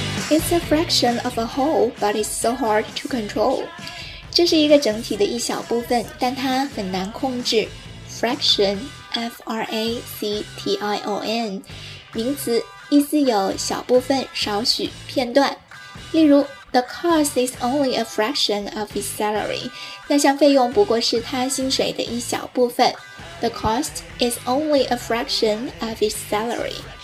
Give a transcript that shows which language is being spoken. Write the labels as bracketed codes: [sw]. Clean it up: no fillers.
[en] It's a fraction of a whole, but it's so hard to control. [zh] 这是一个整体的一小部分，但它很难控制。 Fraction, F-R-A-C-T-I-O-N, 名词，意思有小部分、少许、片段。例如 [en] The cost is only a fraction of his salary. [zh] 那项费用不过是他薪水的一小部分。 [en] The cost is only a fraction of his salary.